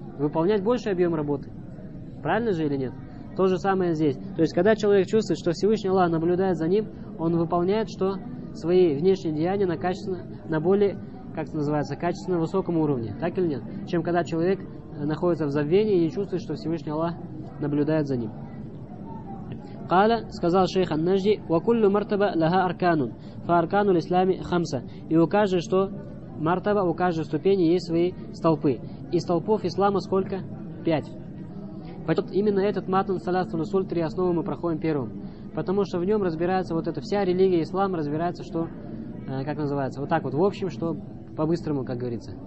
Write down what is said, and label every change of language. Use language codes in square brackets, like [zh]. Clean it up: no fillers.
[ru] Выполнять больший объем работы. Правильно же или нет? То же самое здесь. То есть, когда человек чувствует, что Всевышний Аллах наблюдает за ним, он выполняет что? Свои внешние деяния на качественно, на более, как это называется, качественно высоком уровне. Так или нет? Чем когда человек находится в забвении и не чувствует, что Всевышний Аллах наблюдает за ним. [ar] Каля, [ru] сказал шейх [ar] Ан-Нажди, وَكُلُّ مَرْتَبَ لَهَا أَرْكَانٌ فَأَرْكَانُ الْإِسْلَامِ خَمْسَ. [ru] И у каждой, что мартаба, у каждой ступени есть свои столпы. И столпов ислама сколько? 5. Вот именно этот матн саляту насуль, 3 основы мы проходим первым. Потому что в нем разбирается вот эта вся религия ислама, разбирается, что, как называется, вот так вот, в общем, что по-быстрому, как говорится.